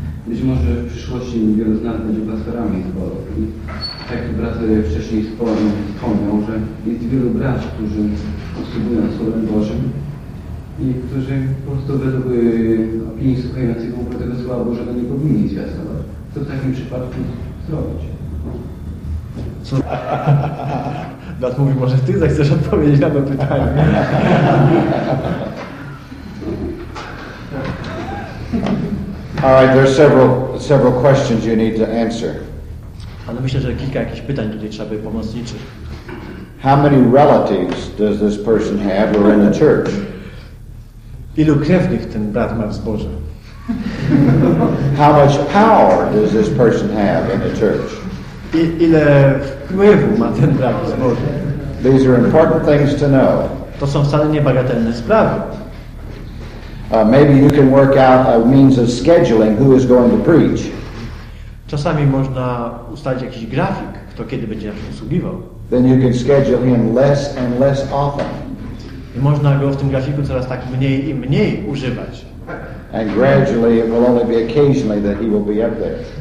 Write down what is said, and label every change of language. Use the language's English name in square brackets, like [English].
[Polish] Być może w przyszłości wielu z nas będzie pastorami zboru. I tak jak brat wcześniej wspomniał, że jest wielu braci, którzy obsługują Słowem Bożym i którzy po prostu według opinii słuchających mówią tego Słowa Bożego nie powinni zwiastować. Co w takim przypadku zrobić? Co? Brat mówi, może ty zechcesz odpowiedzieć na to pytanie. [English] All right, there are several questions you need to answer. [Polish] Ale myślę, że kilka jakichś pytań tutaj trzeba by pomocniczyć. [English] How many relatives does this person have who are in the church? [Polish] Ilu krewnych ten brat ma w zborze? [English] How much power does this person have in the church? [Polish] Ile wpływu ma ten brat w zborze? [English] These are important things to know. [Polish] To są wcale nie bagatelne sprawy. [English] Maybe you can work out a means of scheduling who is going to preach. [Polish] Czasami można ustalić jakiś grafik, kto kiedy będzie nam się usługiwał. [English] Then you can schedule him less and less often. [Polish] I można go w tym grafiku coraz tak mniej i mniej używać. [English] And gradually it will only be occasionally that he will be up there.